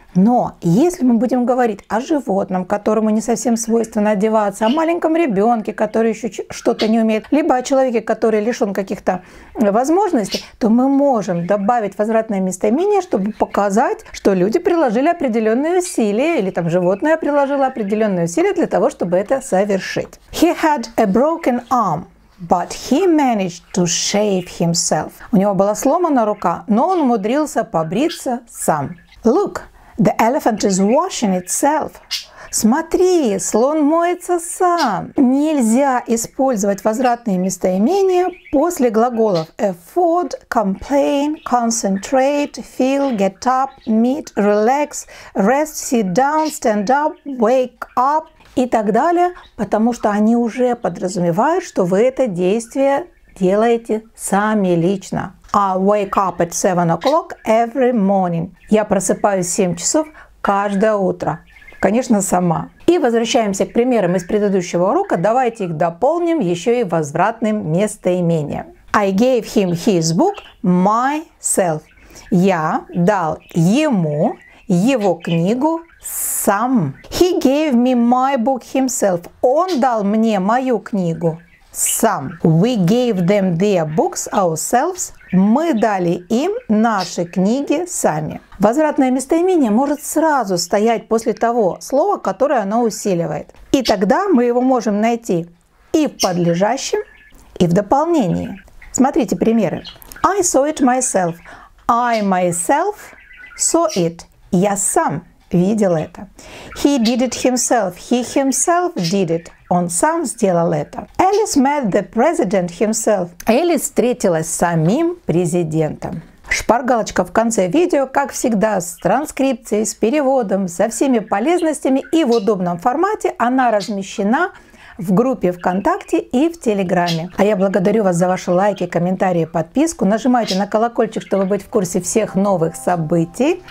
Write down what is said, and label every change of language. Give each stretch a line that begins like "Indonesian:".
Russian: Но если мы будем говорить о животном, которому не совсем свойственно одеваться, о маленьком ребенке, который еще что-то не умеет, либо о человеке, который лишен каких-то возможностей, то мы можем добавить возвратное местоимение, чтобы показать, что люди приложили определенные усилия, или там животное приложило определенные усилия для того, чтобы это совершить.
English: He had a broken arm, but he managed to shave himself.
Russian: У него была сломана рука, но он умудрился побриться сам.
English: Look. The elephant is washing itself.
Russian: Смотри, слон моется сам. Нельзя использовать возвратные местоимения после глаголов
English: afford, complain, concentrate, feel, get up, meet, relax, rest, sit down, stand up, wake up
Russian: и так далее, потому что они уже подразумевают, что вы это действие делаете сами лично.
English: I wake up at 7 o'clock every morning.
Russian: Я просыпаюсь в 7 часов каждое утро. Конечно, сама. И возвращаемся к примерам из предыдущего урока. Давайте их дополним еще и возвратным местоимением.
English: I gave him his book myself.
Russian: Я дал ему его книгу сам.
English: He gave me my book himself.
Russian: Он дал мне мою книгу some.
English: We gave them their books ourselves.
Russian: Мы дали им наши книги сами. Возвратное местоимение может сразу стоять после того слова, которое оно усиливает. И тогда мы его можем найти и в подлежащем, и в дополнении. Смотрите примеры.
English: I saw it myself. I myself saw it.
Russian: Я сам видел это.
English: He did it himself. He himself did it.
Russian: Он сам сделал это.
English: Alice met the president himself.
Russian: Элис встретилась с самим президентом. Шпаргалочка в конце видео, как всегда, с транскрипцией, с переводом, со всеми полезностями и в удобном формате. Она размещена в группе ВКонтакте и в Телеграме. А я благодарю вас за ваши лайки, комментарии, подписку. Нажимайте на колокольчик, чтобы быть в курсе всех новых событий.